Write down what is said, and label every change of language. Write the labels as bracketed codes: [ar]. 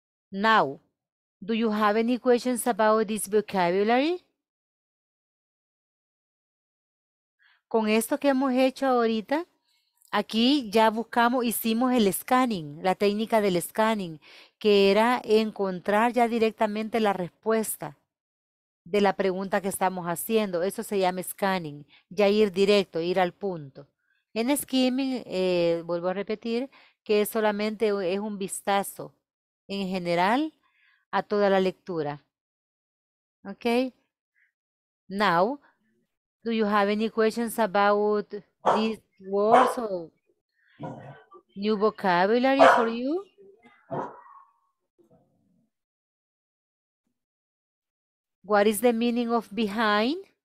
[en] Now, do you have any questions about this vocabulary? [es] Con esto que hemos hecho ahorita, aquí ya buscamos, hicimos el scanning, la técnica del scanning, que era encontrar ya directamente la respuesta de la pregunta que estamos haciendo. Eso se llama scanning, ya ir directo, ir al punto. En skimming, vuelvo a repetir, que solamente es un vistazo en general a toda la lectura. Ok. [en] Now, do you have any questions about these words or new vocabulary for you? What is the meaning of behind?